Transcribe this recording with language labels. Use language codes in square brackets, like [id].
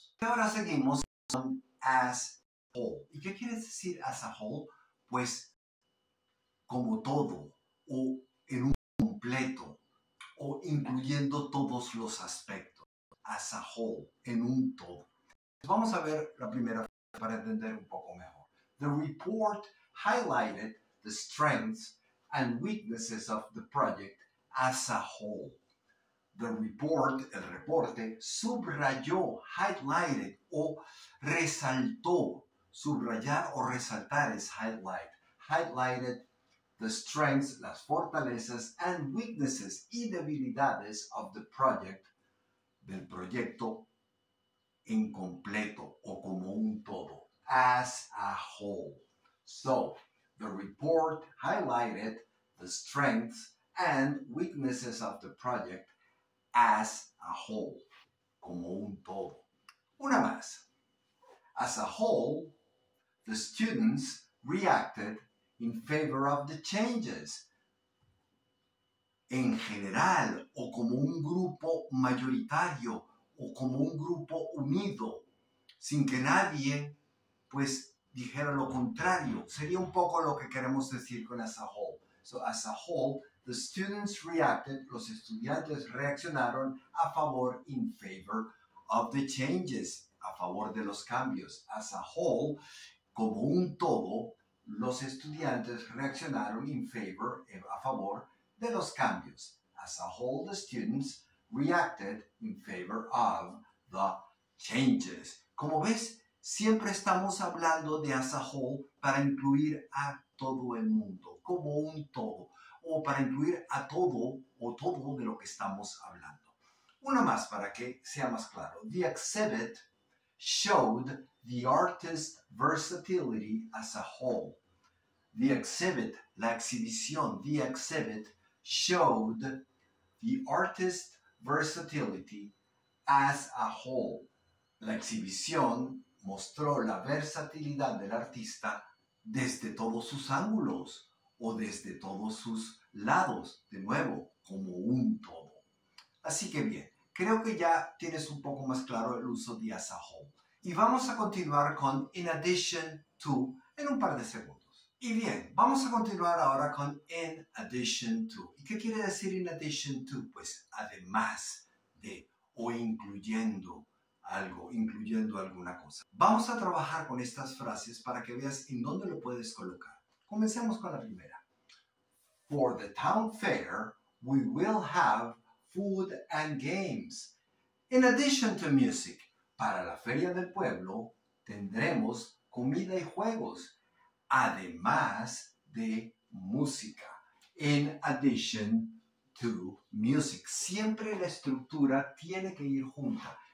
[es] Y ahora seguimos con [en] as whole. [es] ¿Y qué quieres decir [en] as a whole? [es] Pues como todo o en un completo o incluyendo todos los aspectos. [en] As a whole, [es] en un todo. Pues vamos a ver la primera frase para entender un poco mejor. [en] The report highlighted the strengths and weaknesses of the project as a whole. The report, [es] el reporte, subrayó, [en] highlighted [es] o resaltó. Subrayar o resaltar es highlight. [en] Highlighted the strengths, [es] las fortalezas [en] and weaknesses [es] y debilidades [en] of the project, [es] del proyecto en completo o como un todo, [en] as a whole. So, the report highlighted the strengths and weaknesses of the project as a whole, [es] como un todo. Una más. [en] As a whole, the students reacted in favor of the changes. [es] En general, o como un grupo mayoritario, o como un grupo unido, sin que nadie, pues, dijera lo contrario. Sería un poco lo que queremos decir con [en] as a whole. So, as a whole, the students reacted, [es] los estudiantes reaccionaron a favor, [en] in favor of the changes, [es] a favor de los cambios. [en] As a whole, [es] como un todo, los estudiantes reaccionaron [en] in favor, [es] a favor de los cambios. [en] As a whole, the students reacted in favor of the changes. [es] Como ves, siempre estamos hablando de [en] as a whole [es] para incluir a todo el mundo, como un todo, o para incluir a todo o todo de lo que estamos hablando. Una más para que sea más claro. [en] The exhibit showed the artist's versatility as a whole. The exhibit, la exhibición, the exhibit showed the artist's versatility as a whole. [es] La exhibición mostró la versatilidad del artista desde todos sus ángulos o desde todos sus lados, de nuevo, como un todo. Así que bien, creo que ya tienes un poco más claro el uso de as a whole. Y vamos a continuar con [en] in addition to [es] en un par de segundos. Y bien, vamos a continuar ahora con [en] in addition to. [es] ¿Y qué quiere decir [en] in addition to? [es] Pues además de o incluyendo algo, incluyendo alguna cosa. Vamos a trabajar con estas frases para que veas en dónde lo puedes colocar. Comencemos con la primera. [en] For the town fair, we will have food and games. In addition to music, [es] para la feria del pueblo, tendremos comida y juegos, además de música. [en] In addition to music. [es] Siempre la estructura tiene que ir junta.